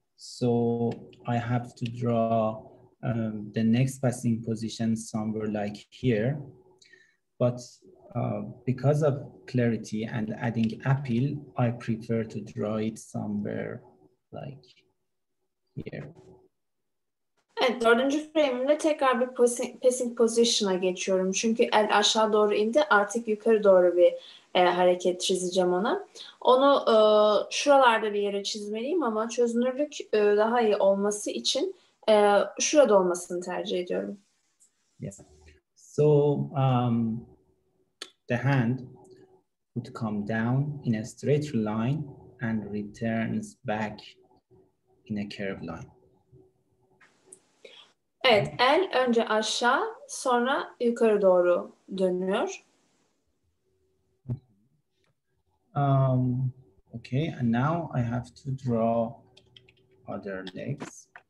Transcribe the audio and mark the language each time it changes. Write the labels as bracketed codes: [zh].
[en] So I have to draw the next passing position somewhere like here. But because of clarity and adding appeal, I prefer to draw it somewhere like here. [tr] Evet, dördüncü frame'imde tekrar bir passing position'a geçiyorum. Çünkü el aşağı doğru indi, artık yukarı doğru bir hareket çizeceğim ona. Onu şuralarda bir yere çizmeliyim ama çözünürlük daha iyi olması için şurada olmasını tercih ediyorum. [en] Yes. So, the hand would come down in a straight line and returns back in a curved line. [tr] Evet, el önce aşağı, sonra yukarı doğru dönüyor. [en] Okay, and now I have to draw other legs.